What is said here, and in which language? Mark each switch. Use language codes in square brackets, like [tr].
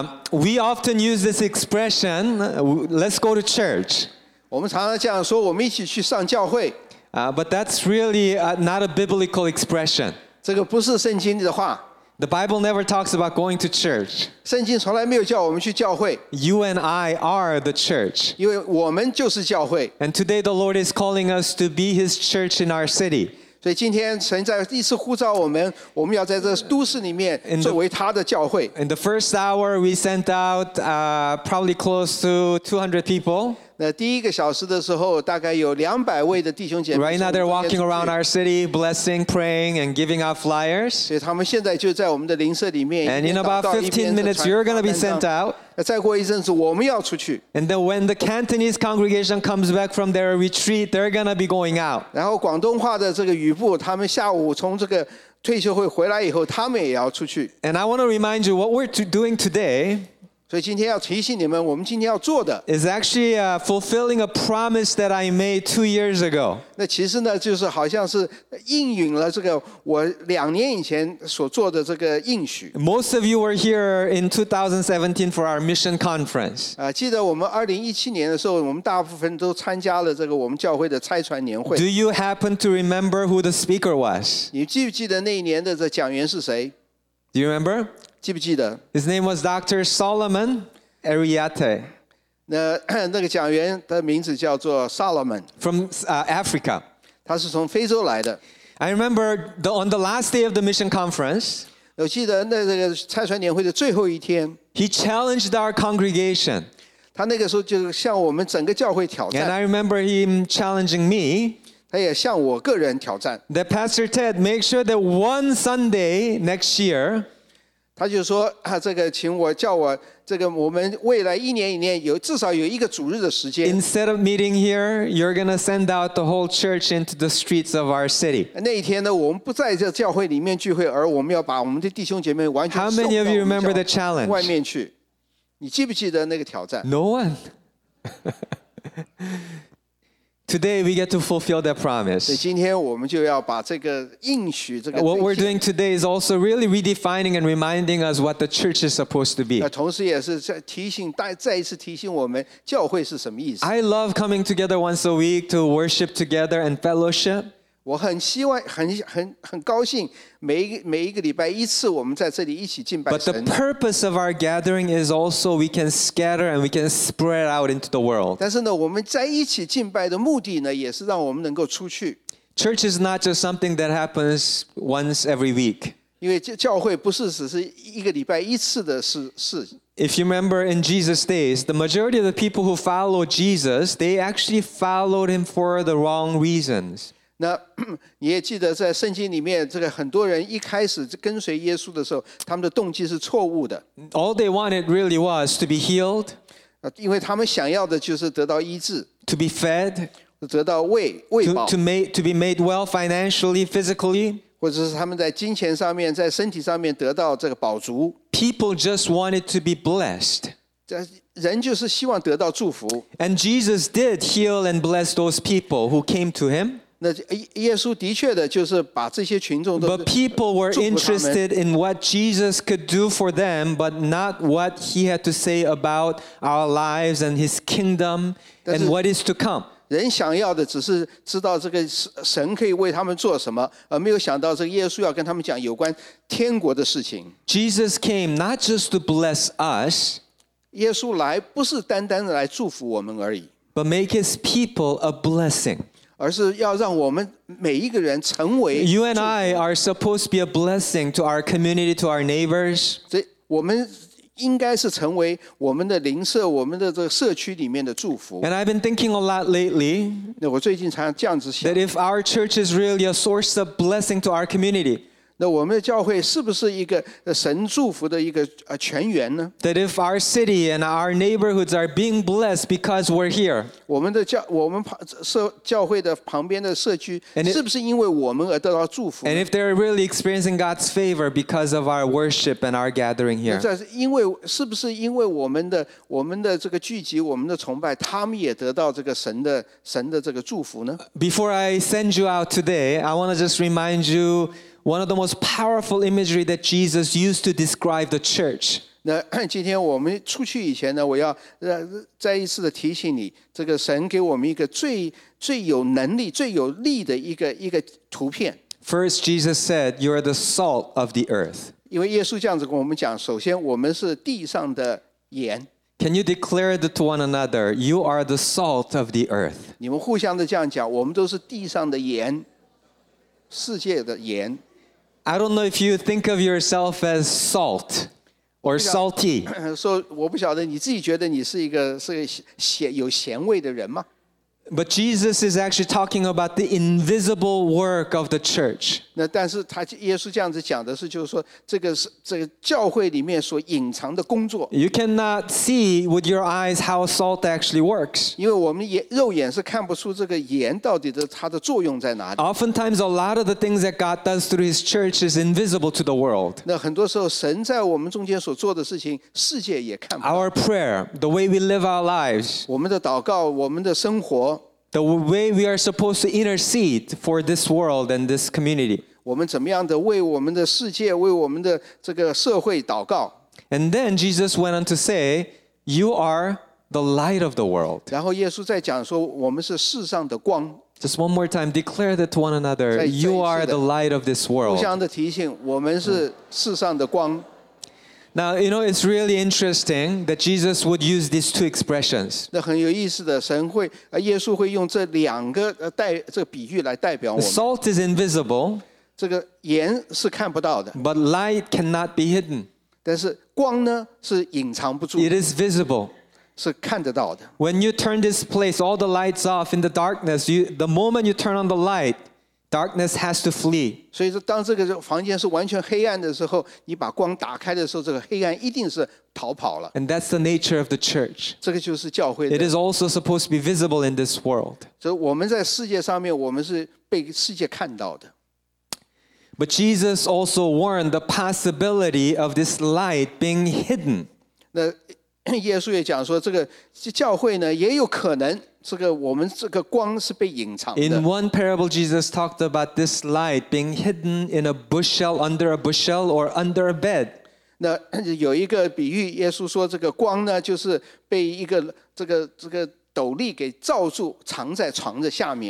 [en] We often use this expression, let's go to church. [zh] 我们常常这样说，我们一起去上教会。 [en] But that's really not a biblical expression. [zh] 这个不是圣经的话。 [en] The Bible never talks about going to church. [zh] 圣经从来没有叫我们去教会。 [en] You and I are the church. [zh] 因为我们就是教会。 [en] And today the Lord is calling us to be His church in our city. [zh] 所以今天神在一次呼召我们，我们要在这都市里面作为他的教会。 [en] In the first hour, we sent out probably close to 200 people. [zh] 那第一个小时的时候，大概有200位的弟兄姐妹。 [en] Right now, they're walking around our city, blessing, praying, and giving out flyers. [zh] 所以他们现在就在我们的邻舍里面。 [en] And in about 15 minutes, you're going to be sent out. [zh] 再过一阵子我们要出去。 [en] And then when the Cantonese congregation comes back from their retreat, they're going to be going out. [zh] 然后广东话的这个语部，他们下午从这个退休会回来以后，他们也要出去。 [en] And I want to remind you what we're doing today. [zh] 所以今天要提醒你们，我们今天要做的。 [en] Is actually fulfilling a promise that I made 2 years ago. [zh] 那其实呢，就是好像是应允了这个我两年以前所做的这个应许。 [en] Most of you were here in 2017 for our mission conference. [zh] 记得我们2017年的时候，我们大部分都参加了这个我们教会的差传年会。 [en] Do you happen to remember who the speaker was? [zh] 你记不记得那一年的这讲员是谁？ [en] Do you remember? His name was Dr. Solomon Ariete. [zh] 那个讲员的名字叫做 Solomon. [en] From Africa. [zh] 他是从非洲来的。 [en] I remember on the last day of the mission conference, [zh] 我记得那个差传年会的最后一天, [en] he challenged our congregation. [zh] 他那个时候就向我们整个教会挑战。 [en] And I remember him challenging me. [zh] 他也向我个人挑战。 [en] That Pastor Ted, make sure that one Sunday next year, [zh] 他就说这个请我叫我这个我们未来一年一年有至少有一个主日的时间。 [en] Instead of meeting here, you're going to send out the whole church into the streets of our city. [zh] 那一天呢我们不在这教会里面聚会，而我们要把我们的弟兄姐妹完全送到我们教会外面去。你记不记得那个挑战？ [en] No one. Today we get to fulfill that promise. [zh] 今天我们就要把这个应许这个。 [en] What we're doing today is also really redefining and reminding us what the church is supposed to be. [zh] 同时也是提醒再一次提醒我们教会是什么意思。 [en] I love coming together once a week to worship together and fellowship. [zh] 我很希望很高兴每一个礼拜一次我们在这里一起敬拜神。 [en] But the purpose of our gathering is also we can scatter and we can spread out into the world. [zh] 但是呢我们在一起敬拜的目的呢也是让我们能够出去。 [en] Church is not just something that happens once every week. [zh] 因为教会不是只是一个礼拜一次的事。 [en] If you remember in Jesus' days, the majority of the people who followed Jesus, they actually followed him for the wrong reasons. [zh] 那你也记得在圣经里面这个很多人一开始跟随耶稣的时候他们的动机是错误的。 [en] All they wanted really was to be healed. [zh] 因为他们想要的就是得到医治。 [en] To be fed. [zh] 得到喂饱。 [en] To be made well financially, physically. [zh] 或者是他们在金钱上面在身体上面得到这个饱足。 [en] People just wanted to be blessed. [zh] 人就是希望得到祝福。 [en] And Jesus did heal and bless those people who came to him. But people were interested in what Jesus could do for them, but not what he had to say about our lives and his kingdom and what is to come. [zh] 人想要的只是知道这个神可以为他们做什么，而没有想到这个耶稣要跟他们讲有关天国的事情。 [en] Jesus came not just to bless us, [zh] 耶稣来不是单单来祝福我们而已， [en] but make his people a blessing. [zh] 而是要让我们每一个人成为 [en] You and I are supposed to be a blessing to our community, to our neighbors. [zh] 所以我们应该是成为我们的邻舍，我们的这个社区里面的祝福。 [en] And I've been thinking a lot lately. [zh] 那我最近常这样子想 [en] That if our church is really a source of blessing to our community. [zh] 那我们的教会是不是一个神祝福的一个泉源呢？ [en] That if our city and our neighborhoods are being blessed because we're here. [zh] 我们教会的旁边的社区是不是因为我们而得到祝福？ [en] And if they're really experiencing God's favor because of our worship and our gathering here. [zh] 是不是因为我们的这个聚集，我们的崇拜，他们也得到这个神的这个祝福呢？ [en] Before I send you out today, I want to just remind you One of the most powerful imagery that Jesus used to describe the church. [zh] 那今天我们出去以前呢，我要再一次的提醒你，这个神给我们一个最有能力、最有力的一个图片。 [en] First, Jesus said, "You are the salt of the earth." [zh] 因为耶稣这样子跟我们讲，首先我们是地上的盐。 [en] Can you declare it to one another? You are the salt of the earth. [zh] 你们互相的这样讲，我们都是地上的盐，世界的盐。 [en] I don't know if you think of yourself as salt or salty. [zh] 说我不晓得你自己觉得你是一个有咸味的人吗？ [en] But Jesus is actually talking about the invisible work of the church. [zh] 那但是他耶稣这样子讲的是，就是说这个教会里面所隐藏的工作。 [en] You cannot see with your eyes how salt actually works. [zh] 因为我们肉眼是看不出这个盐到底的它的作用在哪里。 [en] Oftentimes, a lot of the things that God does through His church is invisible to the world. [zh] 那很多时候神在我们中间所做的事情，世界也看不到。 [en] Our prayer, the way we live our lives. [zh] 我们的祷告，我们的生活。 [en] The way we are supposed to intercede for this world and this community. [zh] 我们怎么样的为我们的世界，为我们的这个社会祷告。 [en] And then Jesus went on to say, "You are the light of the world." [zh] 然后耶稣在讲说，我们是世上的光。 [en] Just one more time, declare that to one another. You are the light of this world. [zh] 互相的提醒，我们是世上的光。 [en] Now, you know, it's really interesting that Jesus would use these two expressions. [zh] 那很有意思的，神会，耶稣会用这两个代，这个比喻来代表我们。 [en] The salt is invisible. [zh] 这个盐是看不到的。 [en] But light cannot be hidden. [zh] 但是光呢，是隐藏不住。 [en] It is visible. [zh] 是看得到的。 [en] When you turn this place, all the lights off in the darkness, the moment you turn on the light,Darkness has to flee. [zh] 所以说，当这个房间是完全黑暗的时候，你把光打开的时候，这个黑暗一定是逃跑了。 [en] And that's the nature of the church. [zh] 这个就是教会的。 [en] It is also supposed to be visible in this world. [zh] 所以我们在世界上面，我们是被世界看到的。 [en] But Jesus also warned the possibility of this light being hidden. [zh] 那耶稣也讲说，这个教会呢，也有可能。 [en] In one parable, Jesus talked about this light being hidden in a bushel, under a bushel, or under a bed. [zh] 那有一个比喻，耶稣说这个光呢，就是被一个这个斗笠给罩住，藏在床的下面。